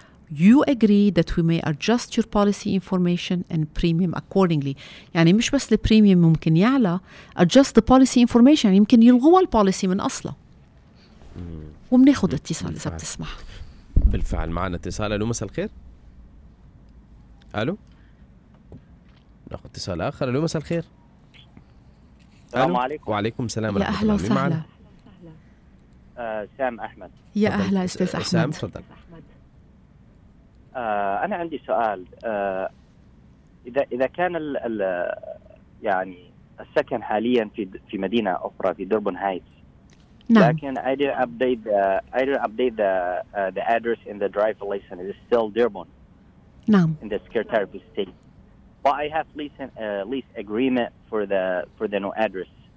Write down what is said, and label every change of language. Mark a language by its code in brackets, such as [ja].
[en] you agree that we may adjust your policy information and premium accordingly. [ar] يعني مش بس البريميوم ممكن يعلى, [en] adjust the policy information, [ar] يمكن يلغوا البوليسي من أصله. ومناخد اتصال إذا بتسمح. بالفعل معنا اتصال. ألو مساء الخير. ألو. ناخد اتصال آخر. ألو مساء الخير. السلام عليكم. وعليكم السلام. يا أهلا وسهلا. سام أحمد. يا أهلا أستاذ أحمد. سام تفضل. أنا عندي سؤال. إذا كان الـ يعني السكن حاليا في مدينة أخرى في دربن هايتس. نعم. لكن [en] I didn't update the address in the driver license. It is still Dearborn. [ar] نعم. [en] In the Secretary of State. But I have lease agreement for the new address.